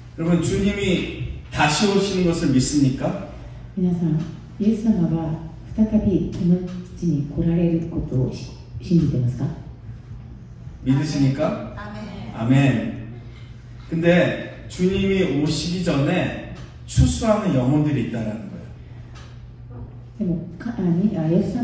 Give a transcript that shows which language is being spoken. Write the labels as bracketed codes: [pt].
[ko] 여러분 주님이 다시 오시는 것을 믿습니까? [ja] 皆さん, 예수様は再びこの地に来られることを信じてますか? [ko] 믿으십니까? 아멘. 근데 주님이 오시기 전에 추수하는 영혼들이 있다라는 거예요.